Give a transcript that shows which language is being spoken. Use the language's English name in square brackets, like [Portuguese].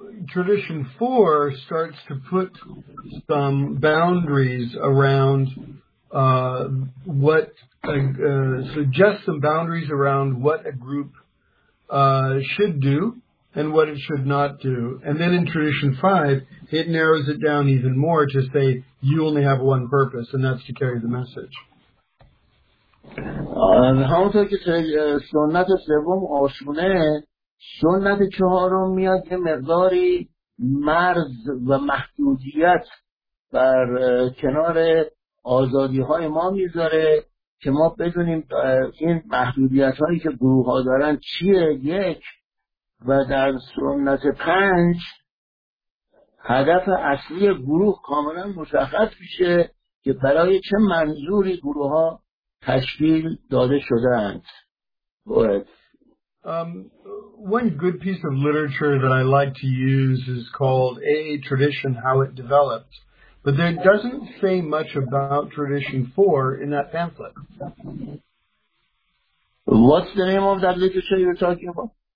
[English] Tradition 4 starts to put some boundaries around suggests some boundaries around what a group should do and what it should not do. And then in Tradition 5, it narrows it down even more to say, you only have one purpose, and that's to carry the message. [Persian] همونطور که سنت سوم آسونه، سنت چهارم میاد که مقداری مرز و محدودیت بر کنار آزادی های ما میذاره که ما بدونیم این محدودیت هایی که گروه ها دارن چیه. یک و در سنت پنج هدف اصلی گروه کاملا مشخص میشه که برای چه منظوری گروه ها تشکیل داده شده اند. [English] One good piece of literature that I like to use is called AA Tradition, How It Developed. But there doesn't say much about Tradition 4 in that pamphlet. What's the name of that literature you're talking about?